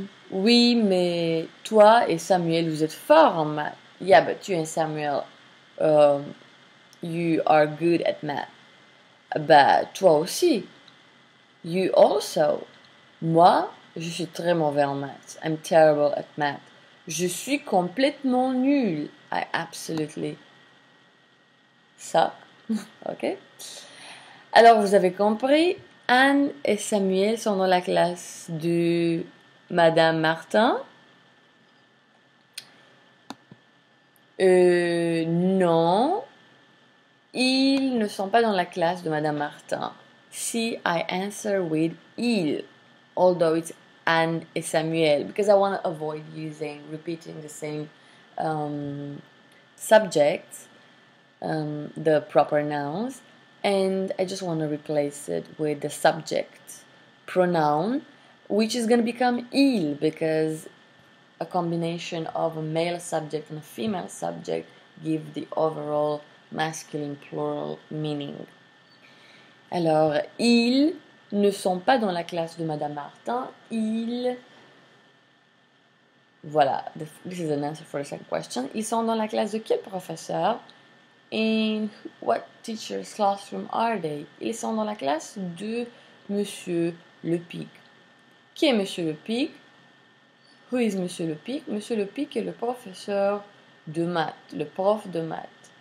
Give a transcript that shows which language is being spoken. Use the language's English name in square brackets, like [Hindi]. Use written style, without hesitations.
[French] Oui, mais toi et Samuel, vous êtes forts en maths. [English] Yeah, but you and Samuel, you are good at math. [French] Bah, toi aussi. [English] You also. [French] Moi, je suis très mauvais en maths. [English] I'm terrible at math. [French] Je suis complètement nul. [English] I absolutely suck. Ok? [French] Alors, vous avez compris, Anne et Samuel sont dans la classe de Madame Martin. Non, ils ne sont pas dans la classe de Madame Martin. [English] Si, I answer with ils, although it's Anne et Samuel, because I want to avoid using, repeating the same subject, the proper nouns, and I just want to replace it with the subject pronoun, which is going to become ils, because a combination of a male subject and a female subject give the overall masculine plural meaning. [French] Alors, ils ne sont pas dans la classe de Madame Martin. Ils. [English] Voilà, this is an answer for the second question. [French] Ils sont dans la classe de quel professeur? [English] In what teacher's classroom are they? [French] Ils sont dans la classe de Monsieur Lepic. Qui est Monsieur Lepic? [English] Who is Monsieur Lepic? [French] Monsieur Lepic est le professeur de maths, le prof de maths.